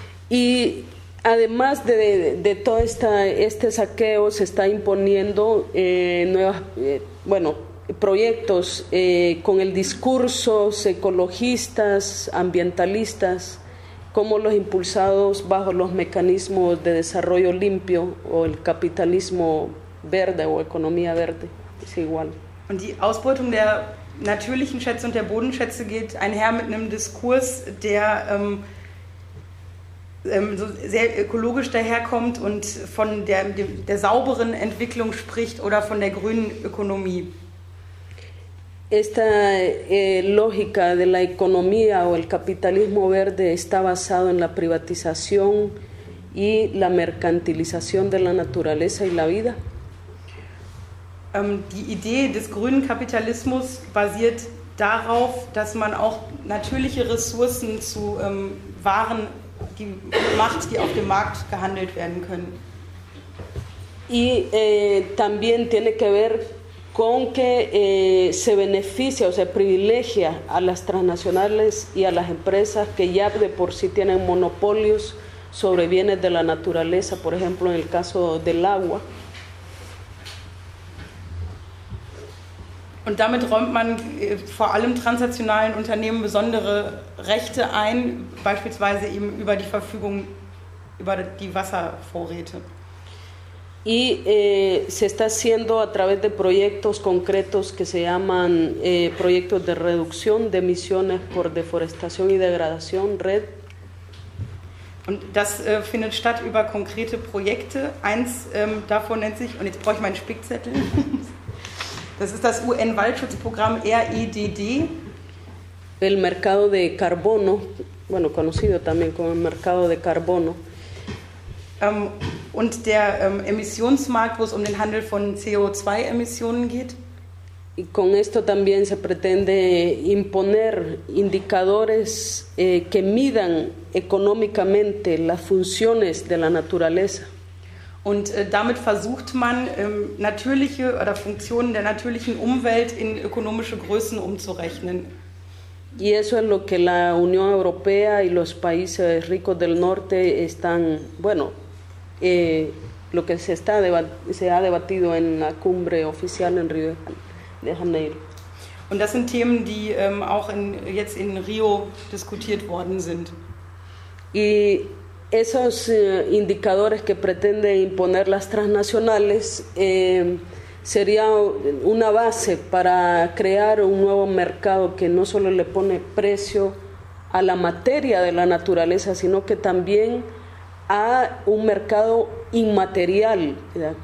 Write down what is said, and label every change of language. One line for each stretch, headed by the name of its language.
Spanish: Y además de todo este saqueo, se está imponiendo nuevas, bueno, proyectos con el discurso ecologistas, ambientalistas, como los impulsados bajo los mecanismos de desarrollo limpio o el capitalismo verde o economía verde, es igual.
German: Und die Ausbeutung der natürlichen Schätze und der Bodenschätze geht einher mit einem Diskurs, der so sehr ökologisch daherkommt und von der sauberen Entwicklung spricht oder von der grünen Ökonomie.
Spanish: Esta lógica de la economía o el capitalismo verde está basado en la privatización y la mercantilización de la naturaleza y la vida.
German: Die Idee des grünen Kapitalismus basiert darauf, dass man auch natürliche Ressourcen zu Waren die macht, die auf dem Markt gehandelt werden können.
Spanish: Y también tiene que ver con que se beneficia o se privilegia a las transnacionales y a las empresas que ya de por sí tienen monopolios sobre bienes de la naturaleza, por ejemplo, en el caso del agua.
German: Und damit räumt man vor allem transnationalen Unternehmen besondere Rechte ein, beispielsweise eben über die Verfügung über die Wasservorräte.
Spanish: Y se está haciendo a través de proyectos concretos que se llaman proyectos de reducción de emisiones por deforestación y degradación, RED.
German: Und das findet statt über konkrete Projekte. Eins davon nennt sich, und jetzt brauche ich meinen Spickzettel. Das ist das UN-Waldschutzprogramm REDD.
Spanish: El mercado de carbono, bueno, conocido también como el mercado de carbono.
German: Und der Emissionsmarkt, wo es um den Handel von CO2-Emissionen geht.
Spanish: Y con esto también se pretende imponer indicadores que midan económicamente las funciones de la naturaleza.
German: Und damit versucht man, natürliche oder Funktionen der natürlichen Umwelt in ökonomische Größen umzurechnen.
Spanish: Y eso es lo que la Unión Europea y los países ricos del Norte están, bueno, lo que se ha debatido en la cumbre oficial en Río de Janeiro.
German: Und das sind Themen, die auch jetzt in Rio diskutiert worden sind.
Spanish: Y esos indicadores que pretenden imponer las transnacionales sería una base para crear un nuevo mercado que no solo le pone precio a la materia de la naturaleza, sino que también a un mercado inmaterial, ¿verdad?